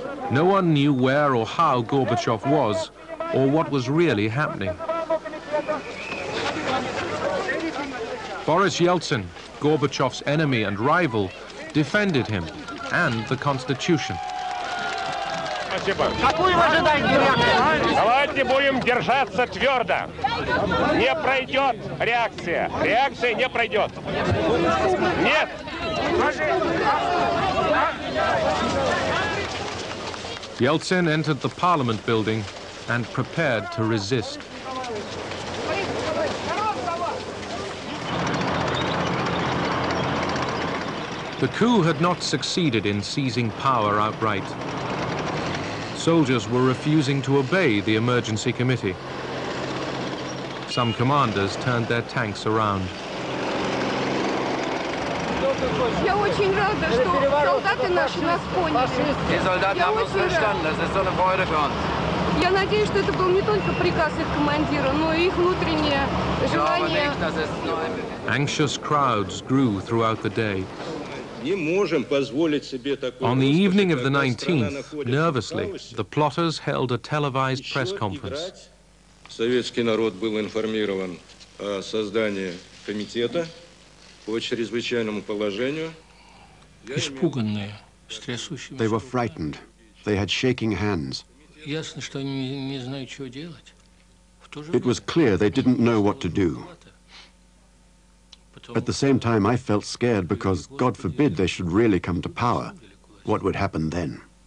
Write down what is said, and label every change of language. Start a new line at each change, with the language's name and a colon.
English: No one knew where or how Gorbachev was, or what was really happening. Boris Yeltsin, Gorbachev's enemy and rival, defended him and the Constitution.
Russian: Сегодня будем держаться твердо. Не пройдет реакция. Реакция не пройдет. Нет.
English: Yeltsin entered the Parliament building and prepared to resist. The coup had not succeeded in seizing power outright. Soldiers were refusing to obey the emergency committee. Some commanders turned their tanks around.
Russian: Я очень рада, что солдаты наши нас поняли.
German: Die Soldaten haben uns verstanden. Das ist so eine Freude für uns.
Russian: Я надеюсь, что это был не только приказ их командира, но и их внутреннее желание.
English: Anxious crowds grew throughout the day. On the evening of the 19th, nervously, the plotters held a televised press conference.
Russian: Советский народ был информирован о создании комитета по чрезвычайному положению. Испуганные, с трясущимися.
English: They were frightened. They had shaking hands.
Russian: Ясно, что они не знают, что делать.
English: It was clear they didn't know what to do. At the same time, I felt scared because, God forbid, they should really come to power. What would happen then?